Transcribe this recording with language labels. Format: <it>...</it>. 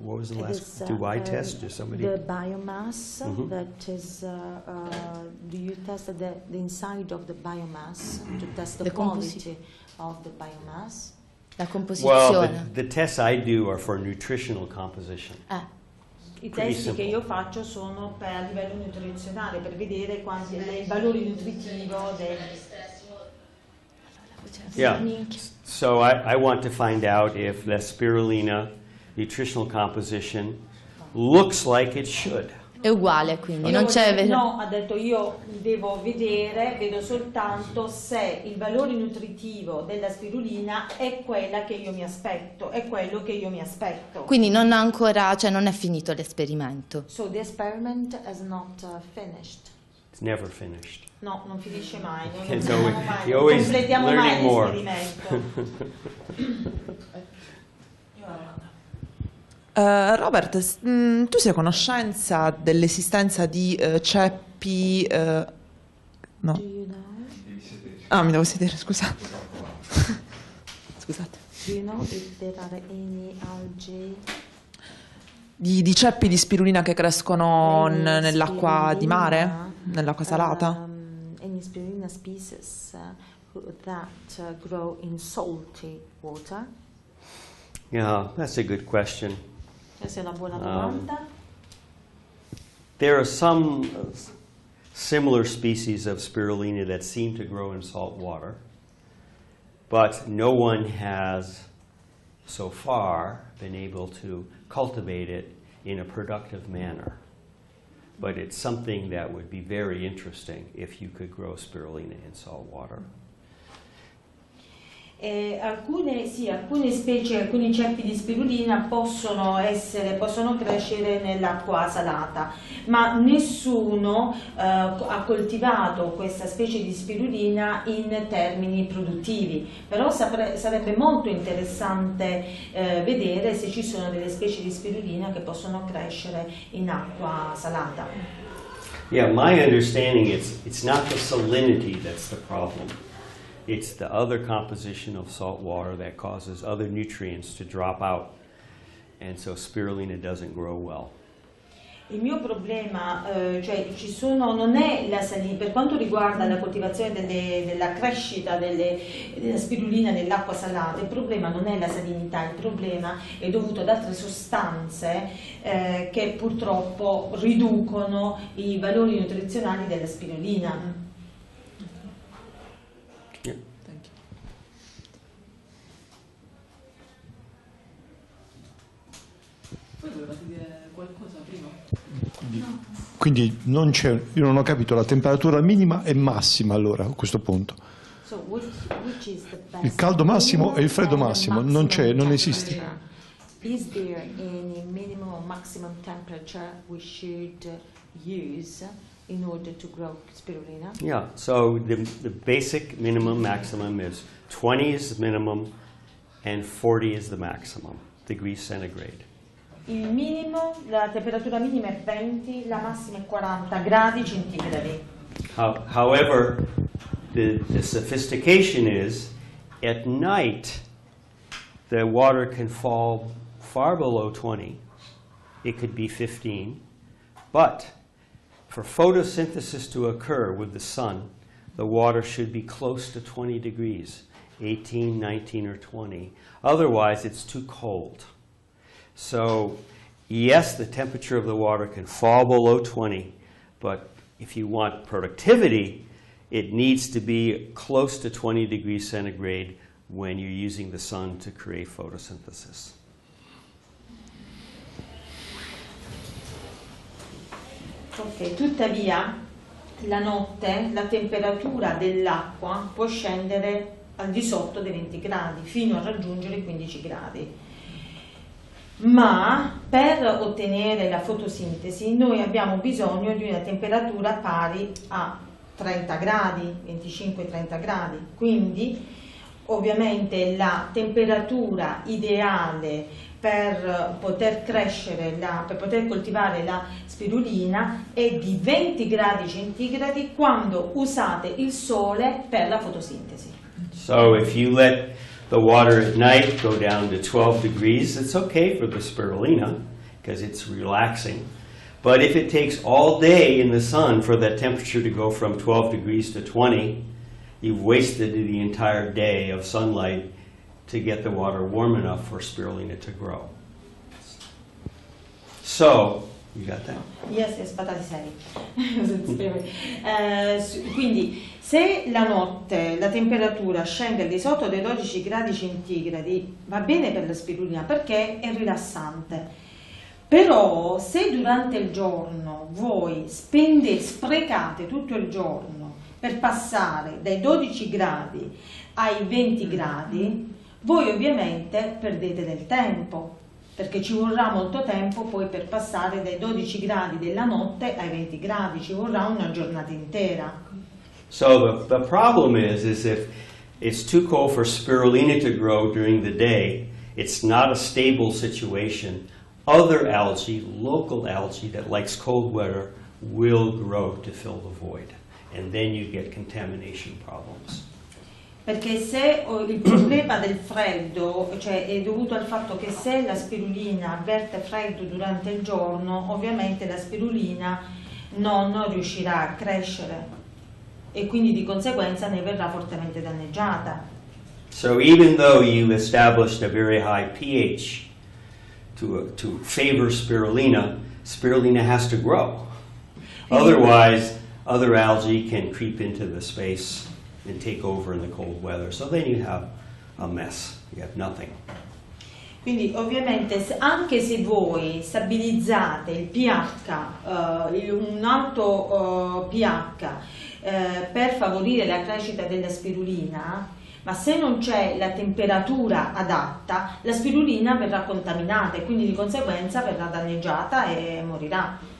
<en>What was the last? Do I test? Do somebody? The biomass, mm-hmm. That is. Do you test the inside of the biomass to test the quality of the biomass?</en> <it>La composizione.</it> <en>Well, the tests I do are for nutritional composition.</en> <it>I testi simple. Che io faccio sono per a livello nutrizionale per vedere quanti dei valori nutritivo del.</it> <en>Yeah, so I want to find out if the spirulina nutritional composition looks like it should.</en> <it>È uguale, quindi, non c'è... No, ha detto, io devo vedo soltanto se il valore nutritivo della spirulina è quella che io mi aspetto, è quello che io mi aspetto. Quindi non ha ancora, non è finito l'esperimento.</it> <en>So the experiment is not finished. It's never finished.</en> <it>No, non finisce mai.</it> <en>Always learning more.</en> <it>Completiamo mai l'esperimento. Robert, tu sei a conoscenza dell'esistenza di ceppi...</it> <en>Do you know?</en> <it>Ah, mi devo sedere, scusa. Scusate.</it> <en>Do you know if there are any algae?</en> <it>Di ceppi di spirulina che crescono nell'acqua di mare, nell'acqua salata?</it> <en>Any spirulina species that grow in salty water? Yeah, that's a good question.</en> <it>Questa è una buona domanda.</it> <en>There are some similar species of spirulina that seem to grow in salt water, but no one has so far been able to cultivate it in a productive manner. But it's something that would be very interesting if you could grow spirulina in salt water.</en> <it>Alcune specie, alcuni ceppi di spirulina possono crescere nell'acqua salata, ma nessuno ha coltivato questa specie di spirulina in termini produttivi. Però sarebbe molto interessante vedere se ci sono delle specie di spirulina che possono crescere in acqua salata.</it> <en>Yeah, my understanding is it's not the salinity that's the problem. It's the other composition of salt water that causes other nutrients to drop out, and so spirulina doesn't grow well.</en> <it>Il mio problema, cioè ci sono, non è la salinità, per quanto riguarda la coltivazione della crescita della spirulina nell'acqua salata, il problema non è la salinità, il problema è dovuto ad altre sostanze che purtroppo riducono i valori nutrizionali della spirulina. Quindi non c'è, io non ho capito, la temperatura minima e massima allora a questo punto.</it> <en>So which is the best?</en> <it>Il caldo massimo e il freddo massimo, non c'è, non esiste.</it> <en>Is there any minimum or maximum temperature we should use in order to grow spirulina? Yeah, so the basic minimum maximum is 20 is the minimum and 40 is the maximum, degrees centigrade.</en> <it>Il minimo, la temperatura minima è 20, la massima è 40 gradi centigradi.</it> <en>However, the sophistication is, at night, the water can fall far below 20. It could be 15. But for photosynthesis to occur with the sun, the water should be close to 20 degrees, 18, 19, or 20. Otherwise, it's too cold. So, yes, the temperature of the water can fall below 20, but if you want productivity, it needs to be close to 20 degrees centigrade when you're using the sun to create photosynthesis.</en> <it>Okay, tuttavia, la notte, la temperatura dell'acqua può scendere al di sotto dei 20 gradi, fino a raggiungere i 15 gradi. Ma per ottenere la fotosintesi noi abbiamo bisogno di una temperatura pari a 30 gradi, 25-30 gradi. Quindi ovviamente la temperatura ideale per poter coltivare la spirulina è di 20 gradi centigradi quando usate il sole per la fotosintesi.</it> <en>So if you let the water at night go down to 12 degrees, it's okay for the spirulina because it's relaxing. But if it takes all day in the sun for that temperature to go from 12 degrees to 20, you've wasted the entire day of sunlight to get the water warm enough for spirulina to grow. So, you got that? Yes, yes, but I say.</en> <it>Quindi, se la notte la temperatura scende di sotto dei 12 gradi centigradi, va bene per la spirulina perché è rilassante. Però se durante il giorno voi sprecate tutto il giorno per passare dai 12 gradi ai 20 gradi, voi ovviamente perdete del tempo, perché ci vorrà molto tempo poi per passare dai 12 gradi della notte ai 20 gradi, ci vorrà una giornata intera.</it> <en>So the problem is if it's too cold for spirulina to grow during the day, it's not a stable situation. Other algae, local algae that likes cold weather, will grow to fill the void. and then you get contamination problems.</en> <it>Perché se il problema del freddo, cioè è dovuto al fatto che se la spirulina avverte freddo durante il giorno, ovviamente la spirulina non riuscirà a crescere e quindi di conseguenza ne verrà fortemente danneggiata.</it> <en>So even though you established a very high pH to favor spirulina, spirulina has to grow. Otherwise, other algae can creep into the space and take over in the cold weather. So then you have a mess. You have nothing.</en> <it>Quindi ovviamente anche se voi stabilizzate il pH, un alto pH per favorire la crescita della spirulina, ma se non c'è la temperatura adatta, la spirulina verrà contaminata e quindi di conseguenza verrà danneggiata e morirà.</it>